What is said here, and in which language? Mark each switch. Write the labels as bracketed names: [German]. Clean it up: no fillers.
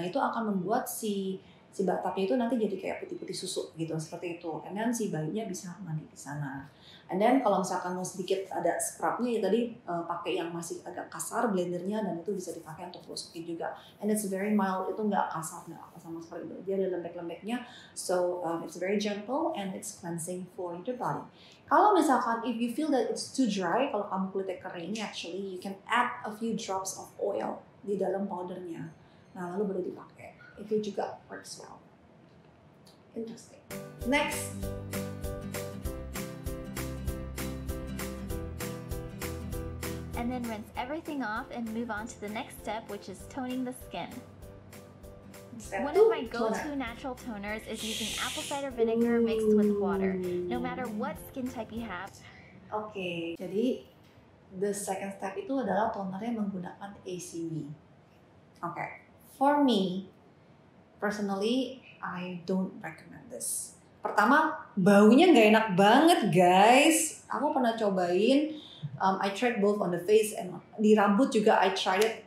[Indonesian] Nah, itu akan membuat si bathtubnya itu nanti jadi kayak putih-putih susu gitu, seperti itu. And then si bayinya bisa mandi di sana. And then kalau misalkan mau sedikit ada scrubnya ya tadi, pakai yang masih agak kasar blendernya, dan itu bisa dipakai untuk gloss-in juga. [English] And it's very mild, [Indonesian] itu nggak kasar, nggak apa sama sekali. Dia ada lembek-lembeknya, [English] so it's very gentle and it's cleansing for your body. [Indonesian] Kalau misalkan [English] if you feel that it's too dry, [Indonesian] kalau kamu kulitnya kering, [English] actually you can add a few drops of oil [Indonesian] di dalam powdernya. Nah, lalu baru dipakai. Itu juga [English] works well. Interesting. Next. And then rinse everything off and move on to the next step, which is toning the skin. One of my go-to natural toners is using apple cider vinegar mixed with water. No matter what skin type you have. [Indonesian] Okay, jadi [English] the second step [Indonesian] itu adalah tonernya menggunakan ACV. [English] Okay, for me, personally, I don't recommend this. [Indonesian] Pertama, baunya nggak enak banget, guys. Aku pernah cobain. [English] I tried both on the face and [Indonesian] di rambut juga [English] I tried it.